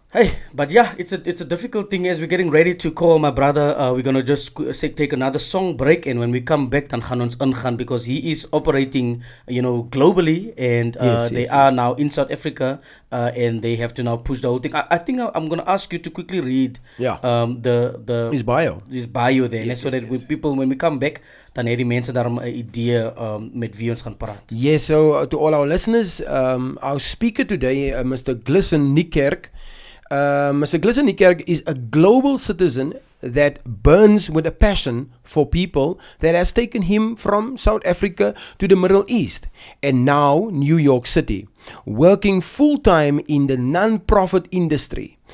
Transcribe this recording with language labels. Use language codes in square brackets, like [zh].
[en] Hey, but yeah, it's a difficult thing as we're getting ready to call my brother. We're going to just take another song break. And when we come back, [af] dan gaan ons ingaan [en] because he is operating, you know, globally. And they are now in South Africa and they have to now push the whole thing. I think I'm going to ask you to quickly read his bio. His bio. bio there, yes, so yes, that yes. People, when we come back, [af] dan het die mense daarom 'n idee met wie ons gaan praat. [en] Yes, so to all our listeners, our speaker today, Mr. Glisson Niekerk. Mr. Glisson Niekerk is a global citizen that burns with a passion for people that has taken him from South Africa to the Middle East and now New York City, working full-time in the non-profit industry.